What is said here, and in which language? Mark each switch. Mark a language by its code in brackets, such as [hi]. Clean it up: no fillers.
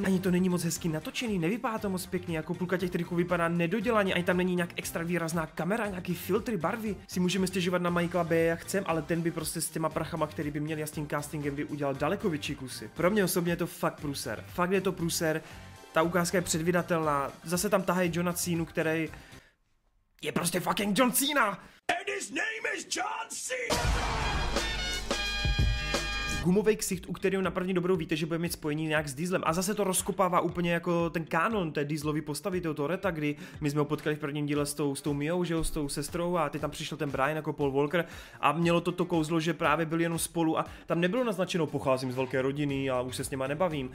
[cs] Ani to není moc hezky natočený, nevypadá to moc pěkně, jako půlka těch triků vypadá nedodělaně, ani tam není nějak extra výrazná kamera, nějaký filtry, barvy. Si můžeme stěžovat na Michaela Baye, jak chcem, ale ten by prostě s těma prachama, který by měl, já s tím castingem by udělal daleko větší kusy. Pro mě osobně je to fakt průser. Fakt je to průser. ta ukázka je předvídatelná. Zase tam tahají Johna Cenu, který je prostě fucking John Cena. [en] And his name is John Cena. [cs] Gumovej ksicht, u kterého na první dobrou víte, že bude mít spojení nějak s Dieslem. A zase to rozkopává úplně jako ten kanon té Dieslovy postavy, toho Toretta, kdy my jsme ho potkali v prvním díle s tou Mio, že jo, s tou sestrou, a teď tam přišel ten Brian jako Paul Walker a mělo to kouzlo, že právě byli jenom spolu a tam nebylo naznačeno, pocházím z velké rodiny a už se s nima nebavím.